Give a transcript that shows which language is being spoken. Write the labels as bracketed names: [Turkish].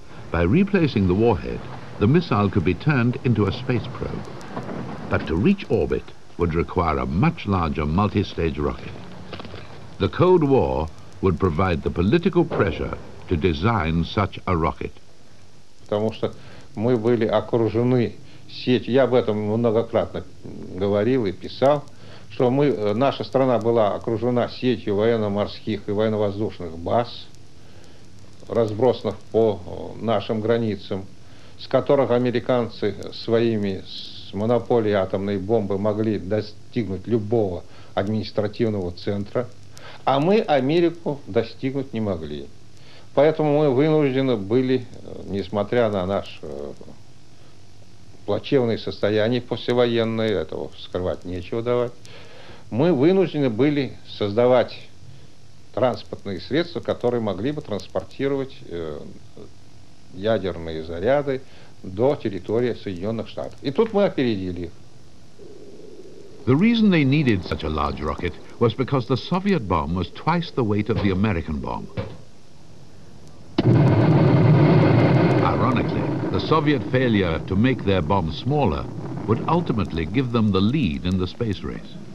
[English] By replacing the warhead, the missile could be turned into a space probe. But to reach orbit would require a much larger multi-stage rocket. The Cold War would provide the political pressure to design such a rocket. [Russian] Потому что мы были окружены сетью. Я об этом многократно говорил и писал, что мы, наша страна была окружена сетью военно-морских и военно-воздушных баз, разбросанных по нашим границам, с которых американцы своими с монополией атомной бомбы могли достигнуть любого административного центра. А мы Америку достигнуть не могли. Поэтому мы вынуждены были, несмотря на наше плачевное состояние послевоенное, этого скрывать нечего давать, мы вынуждены были создавать транспортные средства, которые могли бы транспортировать ядерные заряды до территории Соединенных Штатов. И тут мы опередили их. [English] The reason they needed such a large rocket was because the Soviet bomb was twice the weight of the American bomb. Ironically, the Soviet failure to make their bomb smaller would ultimately give them the lead in the space race.